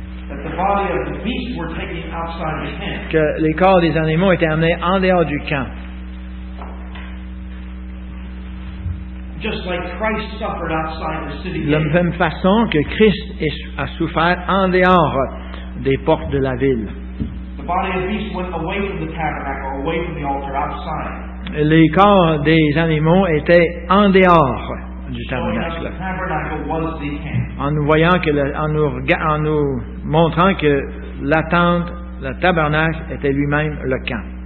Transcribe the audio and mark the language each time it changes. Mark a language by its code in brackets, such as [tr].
[en] That the body of the beast were taken outside the camp. [fr] Que les corps des animaux étaient amenés en dehors du camp. [en] Just like Christ suffered outside the city. [fr] De la même façon que Christ a souffert en dehors des portes de la ville. [en] The body of the beast went away from the tabernacle, away from the altar, outside. [fr] Les corps des animaux étaient en dehors du tabernacle. En nous montrant que la tente, le tabernacle, était lui-même le camp.